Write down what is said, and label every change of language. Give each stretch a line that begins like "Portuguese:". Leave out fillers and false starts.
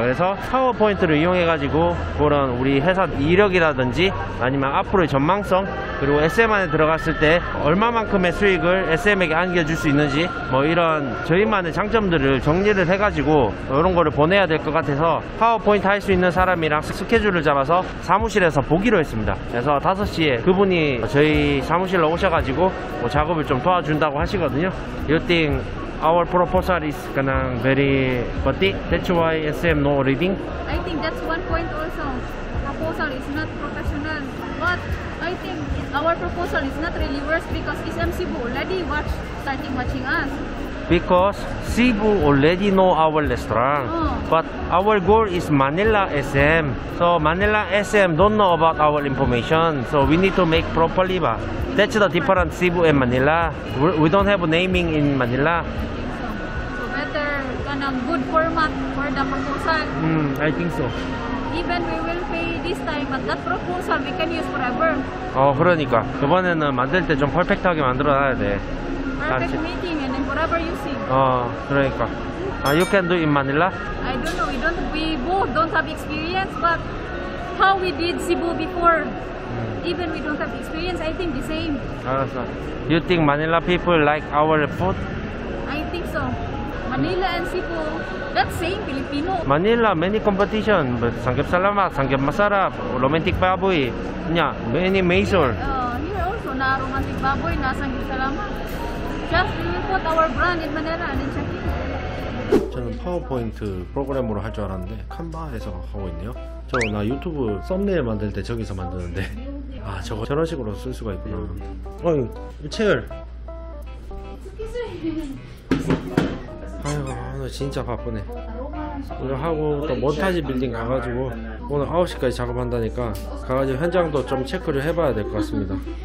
Korean: 그래서 파워포인트를 이용해 가지고 그런 우리 회사 이력이라든지 아니면 앞으로의 전망성 그리고 SM 안에 들어갔을 때 얼마만큼의 수익을 SM에게 안겨줄 수 있는지 뭐 이런 저희만의 장점들을 정리를 해가지고 이런 거를 보내야 될 것 같아서 파워포인트 할 수 있는 사람이랑 스케줄을 잡아서 사무실에서 보기로 했습니다. 그래서 5시에 그분이 저희 사무실로 오셔가지고 뭐 작업을 좀 도와준다고 하시거든요.
English: You think our proposal is gonna very butty? That's why SM no reading? I think that's one point also. Proposal is not professional. But I think our proposal is not really worse because SM Cebu already starting watching us. Because Cebu already know our restaurant. But our goal is Manila SM. So Manila SM don't know about our information. So we need to make properly. That's the difference Cebu and Manila. We don't have a naming in Manila. So better kind of good format for the proposal. I think so. Even we will pay this time, but that proposal we can use forever.
Korean: 그러니까 이번에는 만들 때 좀 퍼펙트하게 만들어놔야 돼.
English: Perfect meeting and then forever using.
Korean: 그러니까.
English: You can do in Manila? I don't know. We both don't have experience, but how we did Cebu before, even we don't have experience, I think the same.
Korean: 알았어.
English: You think Manila people like our food? I think so. Manila and Cebu. That's same Filipino. Manila, many competition. But 삼겹살 lamak, 삼겹마사라, romantic baboy. Yeah, many maser. Here also, na romantic baboy, na 삼겹살 lamak. Just we will put our brand in Manila and in Chiapas.
Korean: 저는 파워포인트 프로그램으로 할 줄 알았는데 캔바에서 하고 있네요. 저 나 유튜브 썸네일 만들 때 저기서 만드는데 아 저거 저런 식으로 쓸 수가 있구나. 어이, 체열. 아이고 오늘 진짜 바쁘네. 오늘 하고 또 몬타지 빌딩 가가지고 오늘 9시까지 작업한다니까 가가지고 현장도 좀 체크를 해봐야 될 것 같습니다.